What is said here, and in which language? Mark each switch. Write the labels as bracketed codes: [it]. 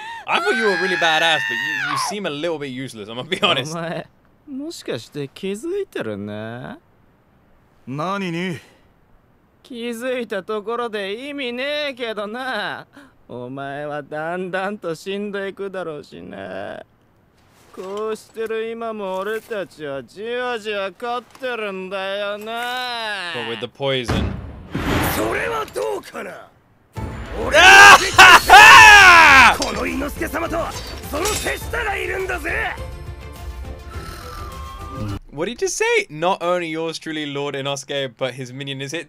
[en] I thought you were really badass, but you seem a little bit useless, I'm gonna be honest. [ja] お前、もしかして気づいてるね？何に？気づいたところで意味ねえけどな。お前はだんだんと死んでいくだろうしな。こうしてる今も俺たちはじわじわ勝ってるんだよな。 [en] But with the poison. [ja] それはどうかな？この猪之助様とその手下がいるんだぜ。 [en] What did you just say? Not only yours truly, Lord Inosuke, but his minion is it?